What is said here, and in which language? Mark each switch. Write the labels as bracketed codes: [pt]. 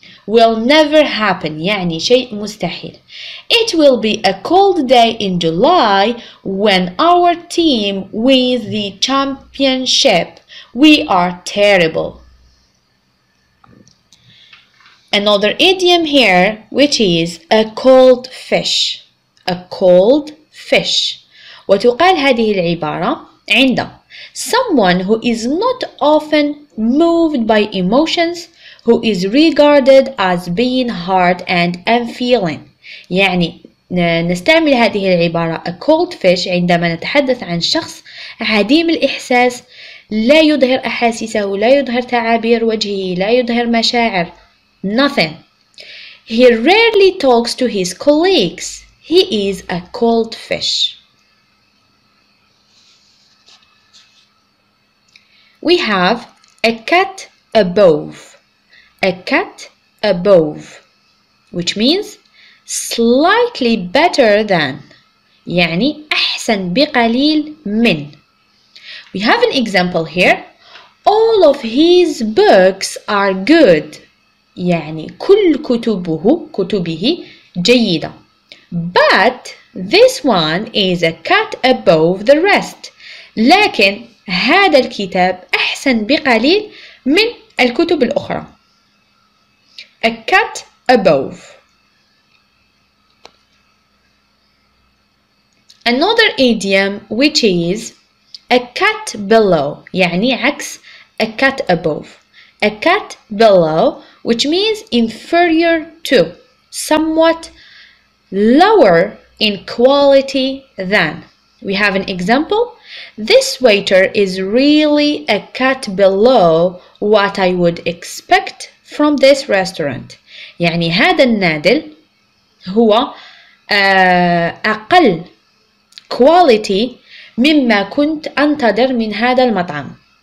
[en] Will never happen [ar] يعني شيء مستحيل. [en] It will be a cold day in July when our team wins the championship. We are terrible. Another idiom here, which is a cold fish. A cold fish. [ar] وتقال هذه العبارة عند [en] someone who is not often moved by emotions, who is regarded as being hard and unfeeling. [ar] يعني نستعمل هذه العبارة [en] a cold fish [ar] عندما نتحدث عن شخص عديم الإحساس, لا يظهر أحاسيسه, لا يظهر تعابير وجهه, لا يظهر مشاعر. [en] Nothing. He rarely talks to his colleagues. He is a cold fish. We have a cat above. A cat above, which means slightly better than. [ar] يعني أحسن بقليل من. [en] We have an example here. All of his books are good. [ar] يعني كل كتبه جيدة. [en] But this one is a cut above the rest. [ar] لكن هذا الكتاب أحسن بقليل من الكتب الأخرى. [en] A cut above. Another idiom which is a cut below. [ar] يعني عكس [en] a cut above. A cat below, which means inferior to, somewhat lower in quality than. We have an example. This waiter is really a cat below what I would expect from this restaurant. [ar] يعني هذا النادل هو أقل quality مما كنت أنتظر من هذا المطعم.